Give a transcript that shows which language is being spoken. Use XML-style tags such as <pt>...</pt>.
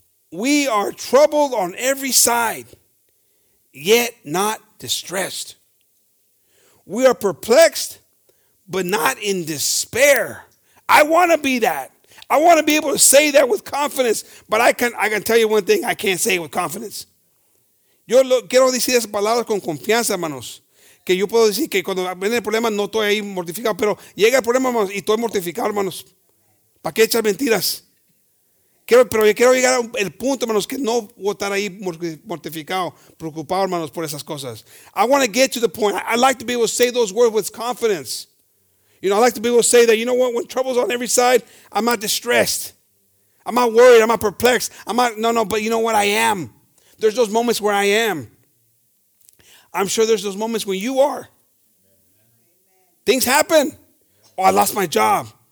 <en>We are troubled on every side, yet not distressed. We are perplexed, but not in despair. I want to be that. I want to be able to say that with confidence, but I can tell you one thing, I can't say it with confidence.</en> <es>Yo quiero decir esas palabras con confianza, hermanos. Que yo puedo decir que cuando viene el problema no estoy ahí mortificado, pero llega el problema, hermanos, y estoy mortificado, hermanos. ¿Para qué echar mentiras? Pero yo quiero llegar al punto, hermanos, que no voy a estar ahí mortificado, preocupado, hermanos, por esas cosas.</es> <en>I want to get to the point. I like to be able to say those words with confidence. You know, I like to be able to say that, you know what, when trouble's on every side, I'm not distressed. I'm not worried. I'm not perplexed. But you know what, I am. There's those moments where I am. I'm sure there's those moments when you are. Things happen. Oh, I lost my job.</en>